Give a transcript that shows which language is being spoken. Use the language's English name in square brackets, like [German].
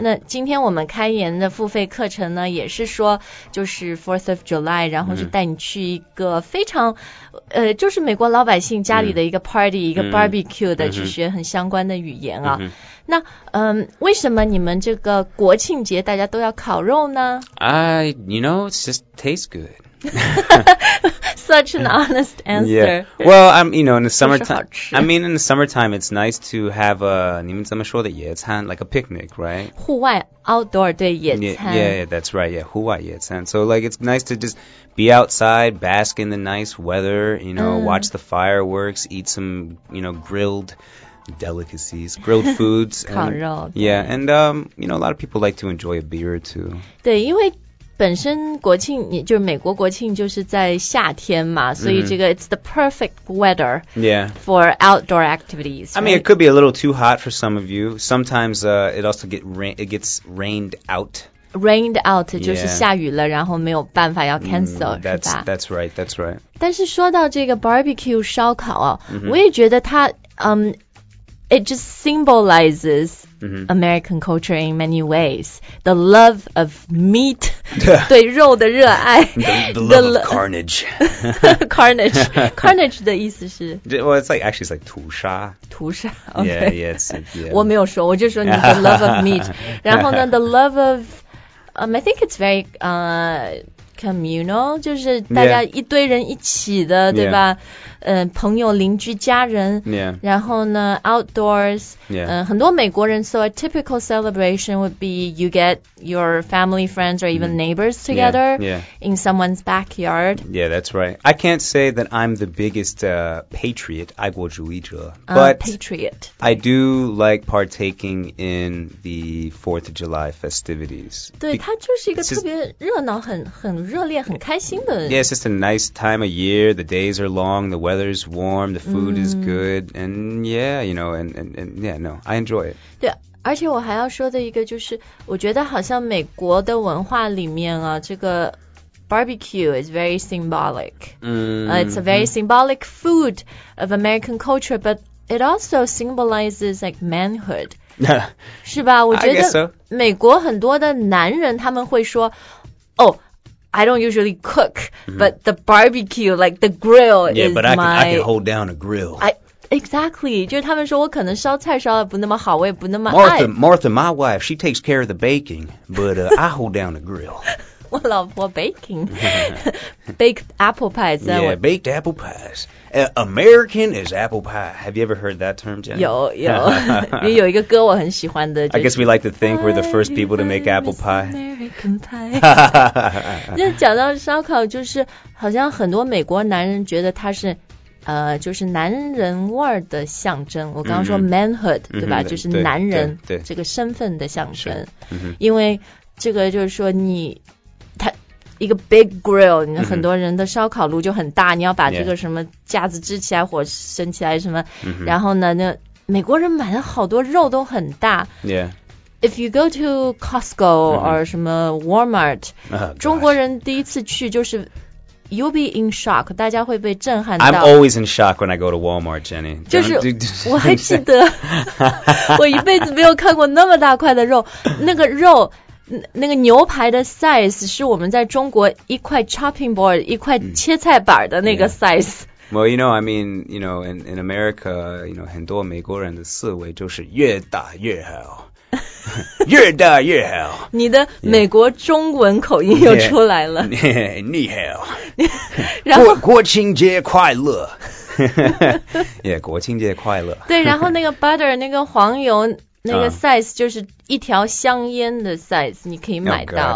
[Chinese] 那今天我们开言的付费课程呢也是说就是 4th of July 然后是带你去一个非常、就是美国老百姓家里的一个 party、一个 barbecue 的去学很相关的语言啊、那为什么你们这个国庆节大家都要烤肉呢 [English] you know, it just tastes good. Such an honest answer. Yeah. Well, you know, in the summertime, I mean, in the summertime, it's nice to have a, [Chinese] 你们怎么说的野餐, [English] like a picnic, right? [Chinese] 户外 outdoor, 对野餐。 [English] Yeah, that's right. Yeah, [Chinese] 户外野餐。 [English] So, like, it's nice to just be outside, bask in the nice weather, you know, watch the fireworks, eat some, you know, grilled,delicacies, grilled foods, [Chinese] 烤肉 [English] and, yeah, and you know, a lot of people like to enjoy a beer too. [Chinese] 对，因为本身国庆，就是美国国庆就是在夏天嘛，所以这个 [English] it's the perfect weather, yeah, for outdoor activities. I mean, it could be a little too hot for some of you. Sometimes, it also gets rained out. Rained out、yeah. [Chinese] 就是下雨了然后没有办法要 cancel、是吧 [English] that's right, that's right. [Chinese] 但是说到这个 barbecue 烧烤、我也觉得它、 [English] it just symbolizes、American culture in many ways. The love of meat, [Chinese] 对肉的热爱。 [English] The love of carnage. Carnage. [Chinese] Carnage 的意思是 [English] Well, it's like, actually it's like 屠杀。 [Chinese] 屠杀 okay. [English] Yeah, yes. Yeah. [Chinese] 我没有说我就说你 [English] the love of meat. [Chinese] 然后呢 [English] the love of,、I think it's very,、communal, [Chinese] 就是大家一堆人一起的、 [English] yeah. [Chinese] 对吧、朋友邻居家人、 [English] yeah. [Chinese] 然后呢 outdoors、 [English] yeah. [Chinese] 很多美国人 [English] so a typical celebration would be you get your family friends or even neighbors together yeah. Yeah. in someone's backyard yeah that's right I can't say that I'm the biggest patriot 爱国主义者 but patriot I do like partaking in the 4th of July festivities [Chinese] 对它就是一个特别热闹很热烈很开心的 [English] yeah it's just a nice time of year the days are long the weather weather's warm, the food、mm. is good, and yeah, you know, and yeah, no, I enjoy it. [Chinese] 对，而且我还要说的一个就是，我觉得好像美国的文化里面啊，这个 [English] Barbecue is very symbolic.、 Mm-hmm. It's a very symbolic food of American culture, but it also symbolizes like manhood. [Chinese] 是吧？我觉得美国很多的男人他们会说 ， [English] Oh, I don't usually cook,、 [Chinese] mm-hmm. [English] but the barbecue, like the grill, yeah, is my. Yeah, but I can hold down a grill. [Chinese] Exactly, 就是他们说我可能烧菜烧的不那么好，我也不那么爱。 [English] Martha, my wife, she takes care of the baking, but、I hold down the grill. [Chinese] 我老婆 baking, baked apple pies. [English] Yeah, baked apple pies. American is apple pie. Have you ever heard that term, Jenny? [Chinese] 有，有一个歌我很喜欢的。 [English] I guess we like to think we're the first people to make apple pie. American pie. [Chinese] 那讲到烧烤，就是好像很多美国男人觉得它是。就是男人味儿的象征。我刚刚说 manhood,、 mm-hmm. 对吧、 mm-hmm. 就是男人这个身份的象征。因为这个就是说你他一个 big grill, 你很多人的烧烤炉就很大、 mm-hmm. 你要把这个什么架子支起来、 [English] yeah. [Chinese] 火升起来什么、 mm-hmm. 然后呢那美国人买的好多肉都很大。 [English] Yeah. If you go to Costco、mm-hmm. or 什么 Walmart,、 oh, [Chinese] 中国人第一次去就是 [English] You'll be in shock. [Chinese] 大家会被震撼到。 [English] I'm always in shock when I go to Walmart, Jenny. [Chinese] 就是我还记得，我一辈子没有看过那么大块的肉。那个肉，那个牛排的 size 是我们在中国一块 chopping board 一块切菜板的那个 size。 [English] Yeah. Well, you know, I mean, you know, in America, you know, [Chinese] 很多美国人的思维就是越大越好。越大越好。你的美国中文口音又出来了。 [English] Yeah. Yeah, [Chinese] 你好。然后国庆节快乐。yeah, 国庆节快乐。对，然后那个 butter, 那个黄油那个 size 就是一条香烟的 size, 你可以买到、